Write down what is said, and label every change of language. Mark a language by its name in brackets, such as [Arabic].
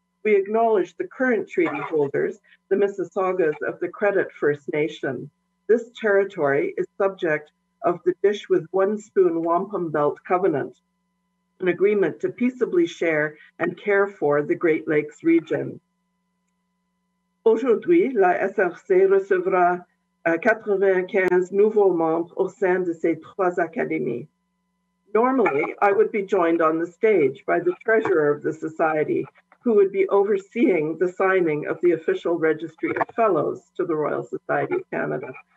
[English] We acknowledge the current treaty holders, the Mississaugas of the Credit First Nation. This territory is subject of the Dish with One Spoon Wampum Belt Covenant, an agreement to peaceably share and care for the Great Lakes region. [French] Aujourd'hui, la SRC recevra 95 nouveaux membres au sein de ces trois académies. [English] Normally, I would be joined on the stage by the treasurer of the society, who would be overseeing the signing of the official registry of fellows to the Royal Society of Canada.